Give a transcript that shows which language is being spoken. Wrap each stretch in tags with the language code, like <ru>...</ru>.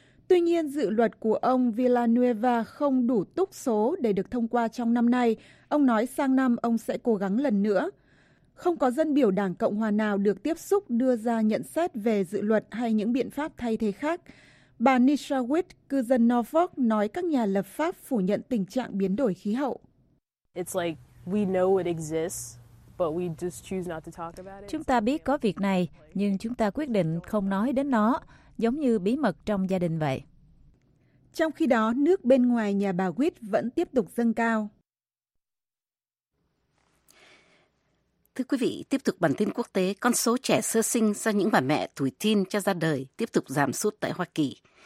<vi>Tuy nhiên, dự luật của ông Villanueva không đủ túc số để được thông qua trong năm nay. Ông nói sang năm ông sẽ cố gắng lần nữa. Không có dân biểu Đảng Cộng Hòa nào được tiếp xúc đưa ra nhận xét về dự luật hay những biện pháp thay thế khác. Bà Nisha Witt, cư dân Norfolk, nói các nhà lập pháp phủ nhận tình trạng biến đổi khí hậu.</vi> <en>It's like we know it exists, but we just choose not to talk about it.</en> <vi>Chúng ta biết có việc này, nhưng chúng ta quyết định không nói đến nó, giống như bí mật trong gia đình vậy. Trong khi đó, nước bên ngoài nhà bà Witt vẫn tiếp tục dâng cao. Thưa quý vị, tiếp tục bản tin quốc tế, con số trẻ sơ sinh do những bà mẹ tủi thân cho ra đời tiếp tục giảm sút tại Hoa Kỳ.</vi>